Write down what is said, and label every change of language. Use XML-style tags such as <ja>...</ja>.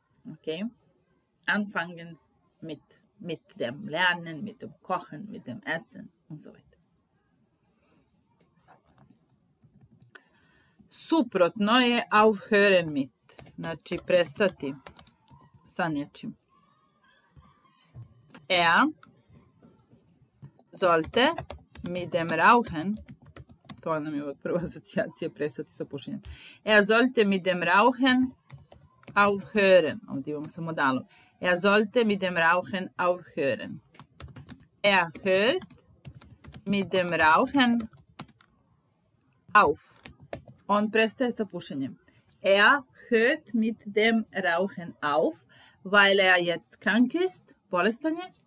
<de>Okay, anfangen mit dem Lernen, mit dem Kochen, mit dem Essen und so weiter.</de> <sr>Suprotno je aufhören mit. Znači, prestati sa nečim.</sr> <de>Er sollte mit dem Rauchen,</de> <sr>to nam je od prva asocijacija, prestati sa pušenjem.</sr> <de>Er sollte mit dem Rauchen aufhören.</de> <sr>Ovdje imamo samo dalog.</sr> <de>Er sollte mit dem Rauchen aufhören. Er hört mit dem Rauchen auf.</de> <sr>On prestaje sa pušenjem.</sr> <de>Er hört mit dem Rauchen auf, weil er jetzt krank ist.</de> <sr>Bolestan je.</sr>